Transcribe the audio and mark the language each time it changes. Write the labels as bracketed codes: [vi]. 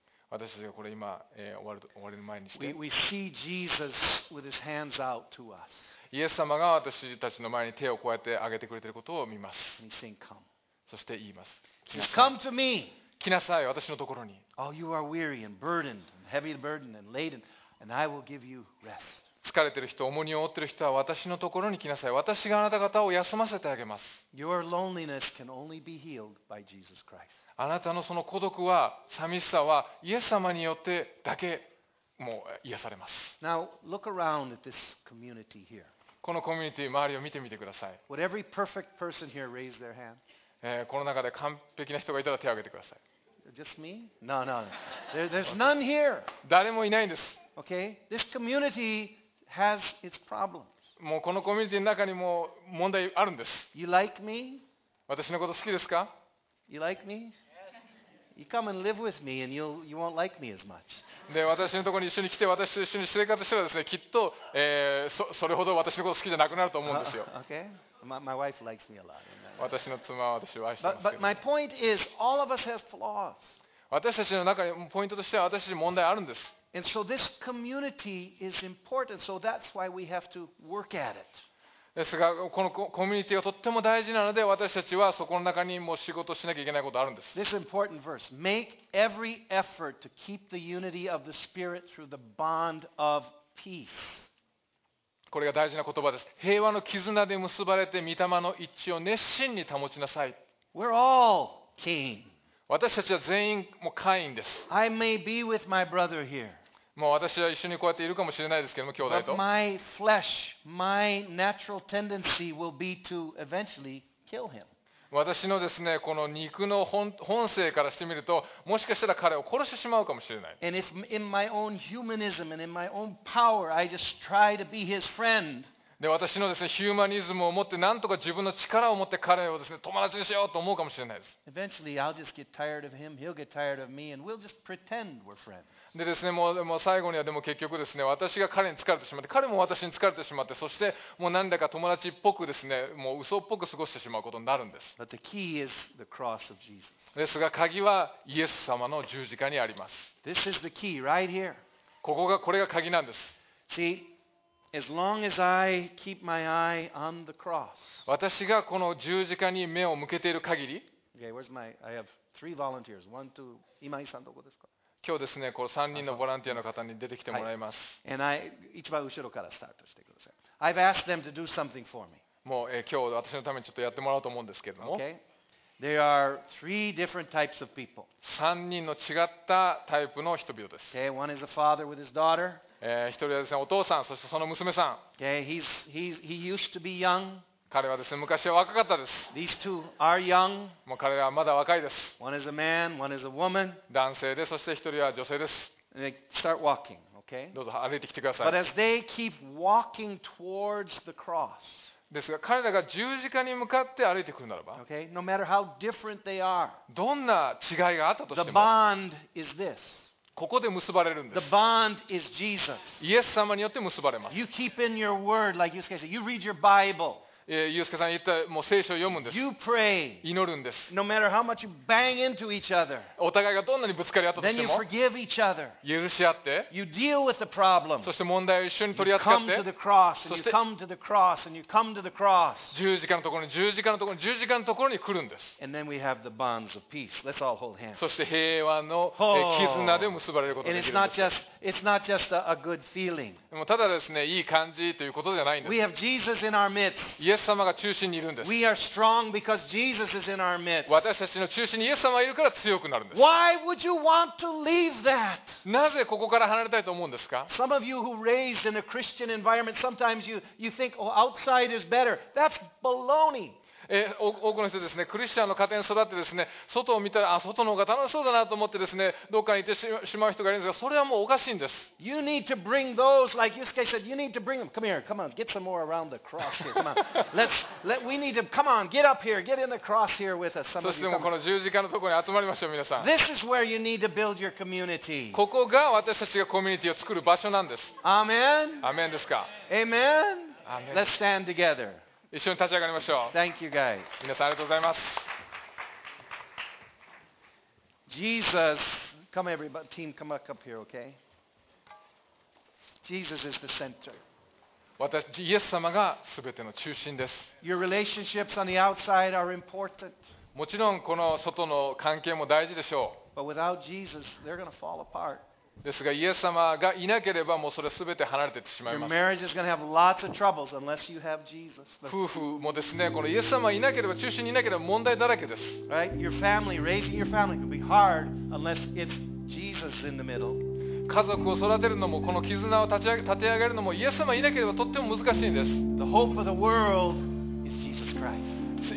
[ja] 私たちがこれ今、終わりの前にして、 [en] We see Jesus with his hands out to us. [ja] イエス様が私たちの前に手をこうやって挙げてくれていることを見ます。 [en] And he's saying, Come. [ja] そして言います。 [en] Come to me. [ja] 来なさい、私のところに。 [en] All you are weary and burdened, and heavy burden and laden, and I will give you rest. [ja] 疲れている人、重荷を負っている人は私のところに来なさい。私があなた方を休ませてあげます。 [en] Your loneliness can only be healed by Jesus Christ. [ja] あなたのその孤独は寂しさはイエス様によってだけもう癒されます。 [en] Now, look around at this community here. [ja] このコミュニティ周りを見てみてください。 [en] Would every perfect person here raise their hand? [ja] この中で完璧な人がいたら手を挙げてください。 [en] Just me? No, no, no. There's none here. [ja] 誰もいないんです。 [en] Okay? This community has its problems. [ja] もうこのコミュニティの中にも問題あるんです。 [en] You like me? [ja] 私のこと好きですか [en] ？You like me? You come and live with me, and you won't like me as much. [ja] で、私のところに一緒に来て、私と一緒に生活したらですね、きっと、それほど私のこと好きじゃなくなると思うんですよ。 [en] Okay. My wife likes me a lot. [ja] 私の妻は私を愛してますけど。 [en] But my point is, all of us have flaws. [ja] 私たちの中にポイントとしては私たち問題あるんです。 [en] And so this community is important. So that's why we have to work at it. [ja] ですが、このコミュニティはとっても大事なので、私たちはそこの中にも仕事をしなきゃいけないことがあるんです。 [en] This important verse: Make every effort to keep the unity of the Spirit through the bond of peace. [ja] これが大事な言葉です。平和の絆で結ばれて御霊の一致を熱心に保ちなさい。 [en] We're all Cain. [ja] 私たちは全員もう会員です。 [en] I may be with my brother here. [ja] もう私は一緒にこうやっているかもしれないですけども、兄弟と。 [en] But my flesh, my natural tendency will be to eventually kill him. [ja] 私のですね、この肉の本性からしてみると、もしかしたら彼を殺してしまうかもしれない。 [en] And if in my own humanism and in my own power, I just try to be his friend. [ja] で私のですね、ヒューマニズムを持って、なんとか自分の力を持って彼をですね、友達にしようと思うかもしれないです。 [en] Eventually, I'll just get tired of him, he'll get tired of me, and we'll just pretend we're friends. [ja] でですね、もう最後にはでも結局ですね、私が彼に疲れてしまって、彼も私に疲れてしまって、そしてもう何だか友達っぽくですね、もう嘘っぽく過ごしてしまうことになるんです。 [en] But the key is the cross of Jesus. [ja] ですが、鍵はイエス様の十字架にあります。 [en] This is the key right here. これが鍵なんです。 See? As long as I keep my eye on the cross. [ja] 私がこの十字架に目を向けている限り。 [en] Okay, where's my? I have three volunteers. One, two. [ja] 今井さんどこですか？今日ですね、こう3人のボランティアの方に出てきてもらいます。はい、 [en] And I [ja] 一番後ろからスタートしてください。 [en] I've asked them to do something for me. [ja] もう、今日私のためにちょっとやってもらおうと思うんですけれども。 [en] Okay. There are three different types of people. [ja] 三人の違ったタイプの人々です。 [en] Okay. One is a father with his daughter. [ja] 一人はですね、お父さん、そしてその娘さん。 [en] Okay, he used to be young. [ja] 彼はですね、昔は若かったです。 [en] These two are young. [ja] もう彼らはまだ若いです。 [en] One is a man, one is a woman. [ja] 男性で、そして一人は女性です。 [en] And they start walking, okay? [ja] どうぞ歩いてきてください。 [en] But as they keep walking towards the cross, [ja] ですが、彼らが十字架に向かって歩いてくるならば、 [en] okay? No matter how different they are, [ja] どんな違いがあったとしても、 [en] the bond is this. [ja] ここで結ばれるんです。 [en] The bond is Jesus. [ja] イエス様によって結ばれます。 [en] You keep in your word, like ユースケさん。You read your Bible. [ja] ユースケさん言った、もう聖書を読むんです。 [en] You pray. [ja] 祈るんです。 [en] No matter how much you bang into each other. [ja] お互いがどんなにぶつかり合ったとしても。 [en] Then you forgive each other. [ja] 許し合って。 [en] You deal with the problem. [ja] そして問題を一緒に取り扱って。 [en] You come to the cross, and you come to the cross, and you come to the cross. [ja] 十字架のところに来るんです。 [en] And then we have the bonds of peace. Let's all hold hands. [ja] そして平和の絆で結ばれることができるんです。 [en] And it's not just a good feeling. [ja] もうただですね、いい感じということじゃないんです。 [en] We have Jesus in our midst. [ja] イエス様が中心にいるんです。 [en] We are strong because Jesus is in our midst. [ja] 私たちの中心にイエス様がいるから強くなるんです。 [en] Why would you want to leave that? [ja] なぜここから離れたいと思うんですか？ [en] Some of you who raised in a Christian environment, sometimes you think, oh, outside is better. That's baloney. [ja] 多くの人ですね、クリスチャンの家庭に育ってですね、外を見たら、あ、外の方が楽しそうだなと思ってですね、どっかにいてしまう人がいるんですが、それはもうおかしいんです。 [en] You need to bring those, like Yusuke said, you need to bring them. Come here, come on, get some more around the cross here. Come on, we need to, come on, get up here, get in the cross here with us. [ja] そしてもうこの十字架のところに集まりましょう、皆さん。 [en] This is where you need to build your community. [ja] ここが私たちがコミュニティを作る場所なんです。 [en] Amen? [ja] Amen ですか。 [en] Amen? Amen. Let's stand together. [ja] 一緒に立ち上がりましょう。 [en] Thank you, guys. [ja] 皆さんありがとうございます。 [en] Jesus, come everybody, team, come back up here, okay? Jesus is the center. [ja] イエス様が全ての中心です。 [en] Your relationships on the outside are important. [ja] もちろんこの外の関係も大事でしょう。 [en] But without Jesus, they're going to fall apart. [ja] ですがイエス様がいなければもうそれすべて離れていってしまいます。夫婦もですね、このイエス様いなければ、中心にいなければ問題だらけです。家族を育てるのも、この絆を立て上げるのも、イエス様いなければとっても難しいんです。